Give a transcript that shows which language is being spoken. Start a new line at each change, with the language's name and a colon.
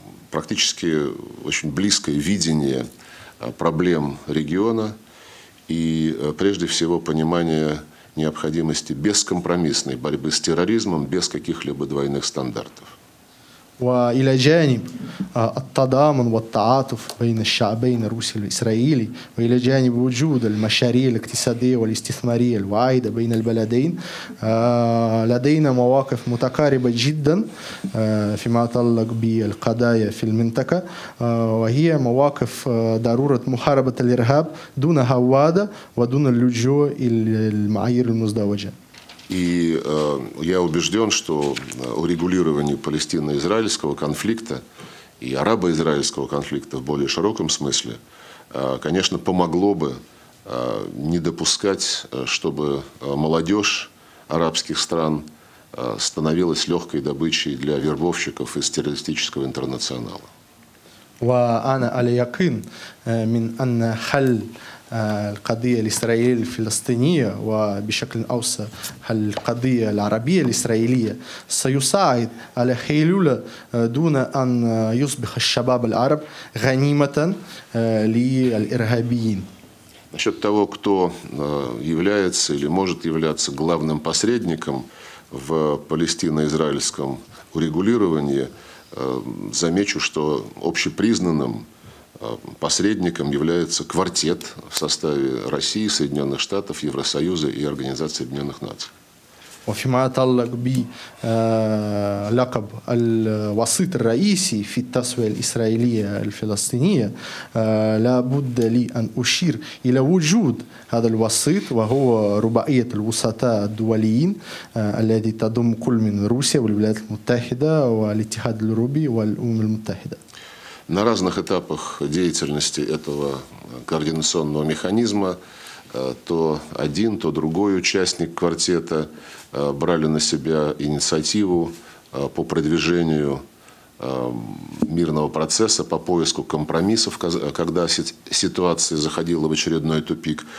Russian: практически очень близкое видение проблем региона и, прежде всего, понимание необходимости бескомпромиссной борьбы с терроризмом без каких-либо двойных стандартов.
Arabic: وإلى جانب التضامن والتعاطف بين الشعبين الروسي الإسرائيلي وإلى جانب وجود المشاريع الاقتصادية والاستثمارية الواعدة بين البلدين لدينا مواقف متقاربة جدا فيما يتعلق بالقضايا في المنطقة وهي مواقف ضرورة محاربة الإرهاب دون هوادة ودون اللجوء إلى المعايير المزدوجة.
Russian: И я убежден, что урегулирование палестино-израильского конфликта и арабо-израильского конфликта в более широком смысле, конечно, помогло бы не допускать, чтобы молодежь арабских стран становилась легкой добычей для вербовщиков из террористического интернационала.
Arabic: وأنا على يقين من أن حل القضية الإسرائيلية الفلسطينية وبشكل أوسع القضية العربية الإسرائيلية سيساعد على حلول دون أن يصبح الشباب العرب غنيمة للإرهابيين.
Russian: Насчет того, кто является или может являться главным посредником в палестино-израильском урегулировании, замечу, что общепризнанным посредником является квартет в составе России, Соединенных Штатов, Евросоюза и Организации Объединенных Наций.
Arabic: وفيما يتعلق بلقب الوسيط الرئيسي في التسوية الإسرائيلية الفلسطينية لا بد لي أن أشير إلى وجود هذا الوسيط وهو رباعية الوسطاء الدوليين الذي تضم كل من روسيا والولايات المتحدة والاتحاد الأوروبي والأمم المتحدة.
Russian: На разных этапах деятельности этого координационного механизма то один, то другой участник квартета брали на себя инициативу по продвижению мирного процесса, по поиску компромиссов, когда ситуация заходила в очередной тупик.